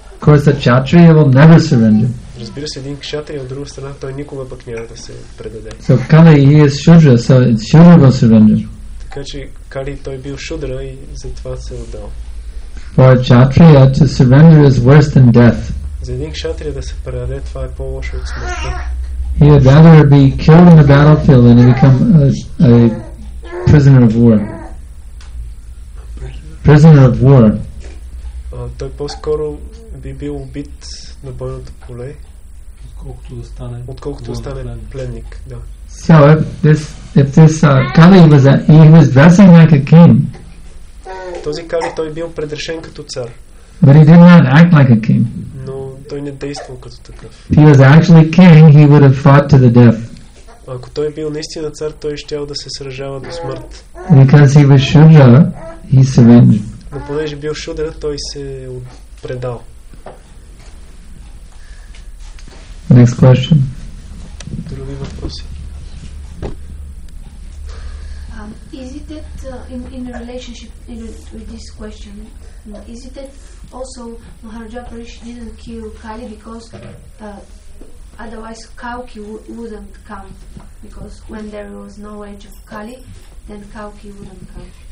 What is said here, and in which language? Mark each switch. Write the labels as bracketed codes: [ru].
[en] Of course, a Kshatriya will never surrender. [bg] Разбира се, един Кшатрия, от друга страна, той никога пък няма да се предаде. [en] So Kali, he is Shudra, so it's Shudra will surrender. [bg] Така че Kali, той бил Шудра и затова се отдал. [en] For a Kshatriya to surrender is worse than death. [bg] За един Кшатрия да се предаде, това е по-лошо от смъртта. [en] He would rather be killed in the battlefield than to become a prisoner of war. Prisoner of war. [bg] Той по-скоро би бил убит на бойното поле, отколкото да стане пленник. Да. [en] So if this Kali was dressing like a king. [bg] Този Кали той бил предрешен като цар. [en] But he did not act like a king. [bg] Но той не действал като такъв. [en] If he was actually king, he would have fought to the death. [bg] Ако той бил наистина цар, той щял да се сражава до смърт. [en] Because he was Shudra, he surrendered. [bg] Но понеже бил Шудра, той се предал. [en] Next question. [bg] Други въпроси. [en] Is it that in relationship with this question, is it that also Maharaja Parish didn't kill Kali because otherwise Kauki wouldn't come, because when there was no age of Kali, then Kauki wouldn't come.